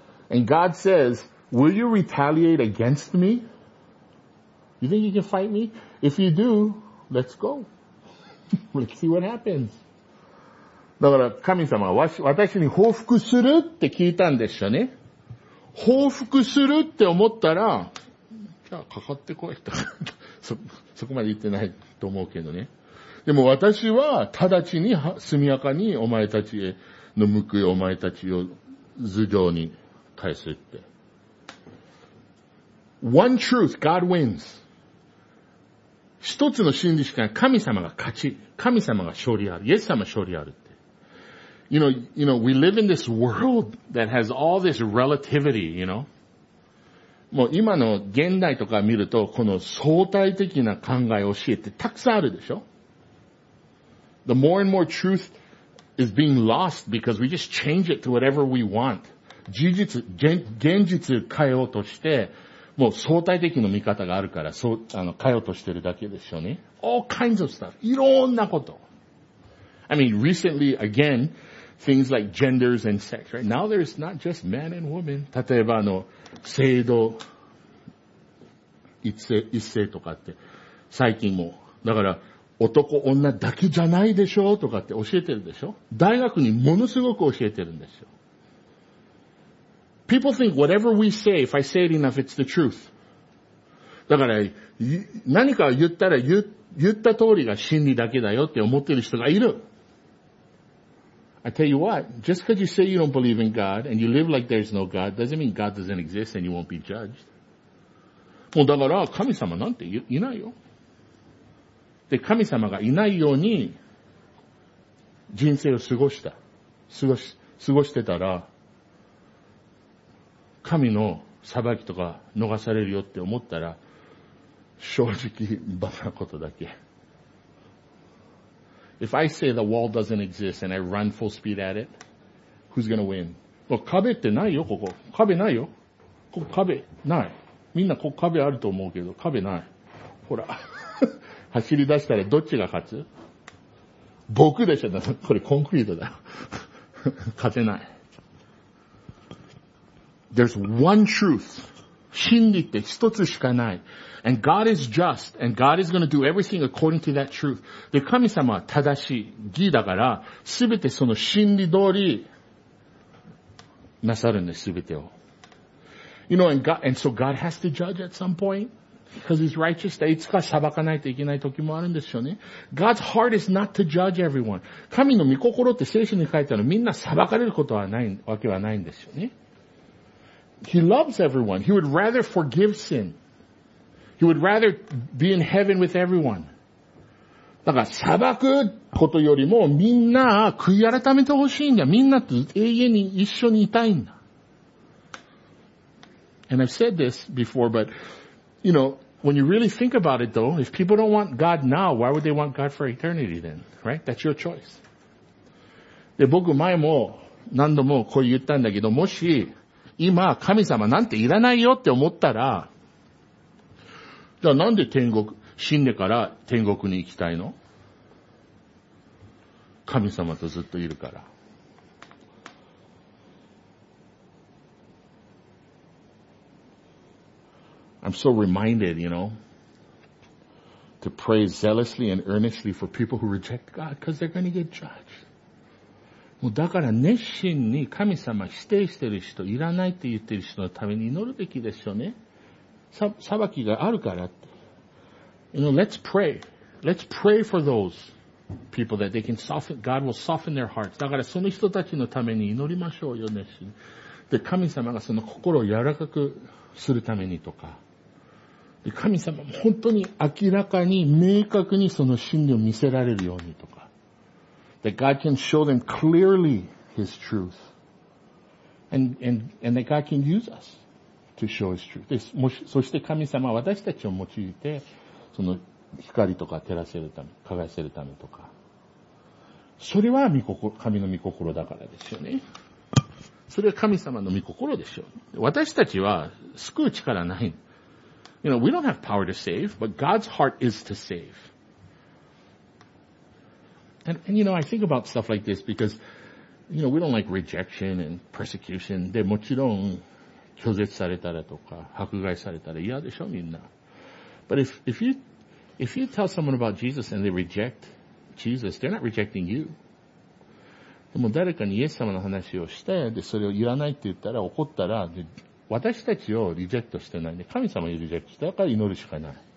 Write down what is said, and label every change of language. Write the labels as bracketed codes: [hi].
[en] And God says, will you retaliate against me? You think you can fight me? If you do, let's go. Let's see what happens. [ja] だから神様は私に報復するって聞いたんでしょうね。報復するって思ったら、じゃあかかってこいと。そこまで言ってないと思うけどね。でも私は直ちに速やかにお前たちへの報い、お前たちを頭上に返すって。 [en] One truth, God wins. [ja] 一つの真理しかない。神様が勝ち。神様が勝利ある。イエス様勝利ある。 [en] You know, we live in this world that has all this relativity, you know. [ja] もう今の現代とか見ると、この相対的な考えを教えてたくさんあるでしょ [en] ?The more and more truth is being lost because we just change it to whatever we want. [ja] 現実変えようとして、もう相対的な見方があるから、そう、変えようとしてるだけでしょうね。 [en] All kinds of stuff. [ja] いろんなこと。 [en] I mean, recently, again,things like genders and sex, right? Now there's not just man and woman. [ja] 例えば性同一性とかって最近もだから男女だけじゃないでしょとかって教えてるでしょ大学にものすごく教えてるんですよ [en] People think whatever we say, if I say it enough, it's the truth. [ja] だから何か言ったら 言った通りが真理だけだよって思ってる人がいる [en] I tell you what, just because you say you don't believe in God and you live like there's no God doesn't mean God doesn't exist and you won't be judged. [ja] もうだから神様なんていないよ。で、神様がいないように人生を過ごしてたら神の裁きとか逃されるよって思ったら、正直バカなことだけ。 [en] If I say the wall doesn't exist and I run full speed at it, who's gonna win? [ja] 壁ってないよ、ここ。壁ないよ。ここ壁ない。みんなここ壁あると思うけど、壁ない。ほら、走り出したらどっちが勝つ？僕でしょ、これコンクリートだ。勝てない。 [en] There's one truth. [ja] 真理って一つしかない。 [en] And God is just, and God is going to do everything according to that truth. [ja] で、神様は正しい、義だから、すべてその真理通り、なさるんです、すべてを。 [en] You know, and so God has to judge at some point, because He's righteous, [ja] だ、いつか裁かないといけない時もあるんですよね。 [en] God's heart is not to judge everyone. [ja] 神の御心って聖書に書いてあるの、みんな裁かれることはない、わけはないんですよね。 [en] He loves everyone. He would rather forgive sin. He would rather be in heaven with everyone. [ja] だから裁くことよりもみんな悔い改めてほしいんだ。みんなと永遠に一緒にいたいんだ。 [en] And I've said this before, but, you know, when you really think about it though, if people don't want God now, why would they want God for eternity then? Right? That's your choice. [ja] で、僕前も何度もこう言ったんだけど、もし、今、神様なんていらないよって思ったら、じゃあなんで天国、死んでから天国に行きたいの？神様とずっといるから。 [en] I'm so reminded, you know, to pray zealously and earnestly for people who reject God, because they're going to get judged. [ja] もうだから熱心に神様否定してる人、いらないって言ってる人のために祈るべきですよね。裁きがあるからって。 [en] You know, let's pray. Let's pray for those people that they can soften, God will soften their hearts. [ja] だからその人たちのために祈りましょうよ、熱心。で、神様がその心を柔らかくするためにとか。で、神様も本当に明らかに明確にその真理を見せられるようにとか。 [en] That God can show them clearly His truth. And that God can use us to show His truth. [ja] そして神様は私たちを用いて、その光とか照らせるため、輝かせるためとか。それは神の御心だからですよね。それは神様の御心でしょう。私たちは救う力ない。 [en] You know, we don't have power to save, but God's heart is to save. And you know, I think about stuff like this because, you know, we don't like rejection and persecution. [ja] で、もちろん、拒絶されたらとか、迫害されたら嫌でしょ、みんな。 [en] But if you tell someone about Jesus and they reject Jesus, they're not rejecting you. [ja] でも誰かにイエス様の話をして、で、それをいらないって言ったら怒ったら、で、私たちをリジェクトしてないんで、神様をリジェクトしたから祈るしかない。